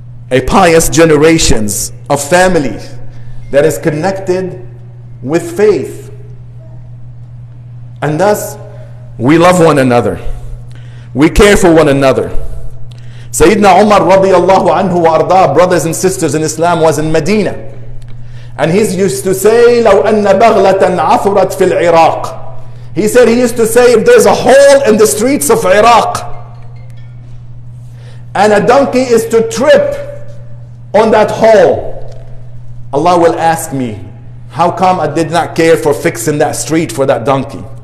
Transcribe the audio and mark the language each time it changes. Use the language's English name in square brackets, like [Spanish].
[English] A pious generations of family that is connected with faith. And thus, we love one another. We care for one another. Sayyidina Umar radiallahu anhu wa arda, brothers and sisters in Islam, was in Medina. And he used to say, [Arabic] لَوْ أَنَّ بَغْلَةً عَثُرَتْ فِي الْعِرَاقِ. [English] He said, he used to say, if there's a hole in the streets of Iraq, and a donkey is to trip on that hole, Allah will ask me, how come I did not care for fixing that street for that donkey?